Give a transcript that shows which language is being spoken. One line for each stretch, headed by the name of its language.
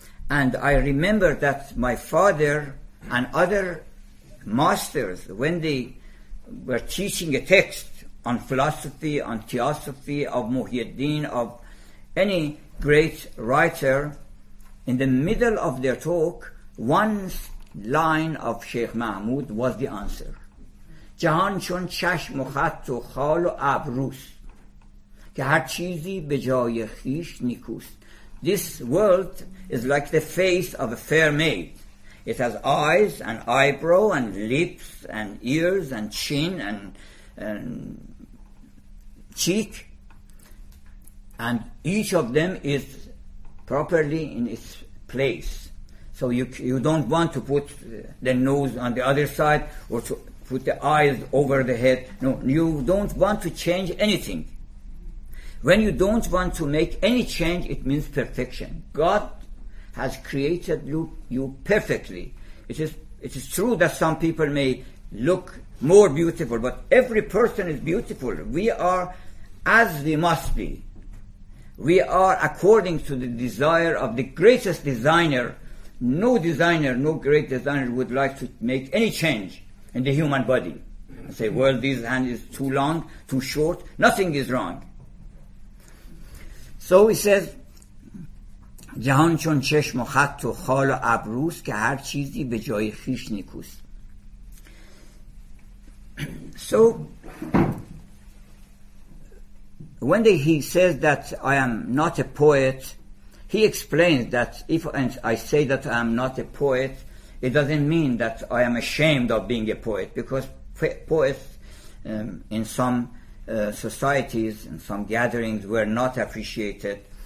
English: And I remember that my father and other masters, when they were teaching a text on philosophy, on theosophy, of Muhyiddin, of any great writer, in the middle of their talk, one line of Sheikh Mahmud was the answer.
Persian: جهان چون چشم و خط و خال و ابروست که هر چیزی به جای خیش نیکوست.
English: This world is like the face of a fair maid. It has eyes and eyebrow and lips and ears and chin and cheek, and each of them is properly in its place. So you don't want to put the nose on the other side or to put the eyes over the head. No, you don't want to change anything. When you don't want to make any change, it means perfection. God has created you perfectly. It is true that some people may look more beautiful, but every person is beautiful. We are as we must be. We are according to the desire of the greatest designer. No designer, no great designer would like to make any change in the human body. Say, well, this hand is too long, too short. Nothing is wrong. So he says,
Persian: جهان چون چشم و خط و خال و ابروس که هر چیزی به جای خیش نیکوست.
English: So when he says that I am not a poet, he explains that if I say that I am not a poet, it doesn't mean that I am ashamed of being a poet, because poets in some societies and some gatherings were not appreciated.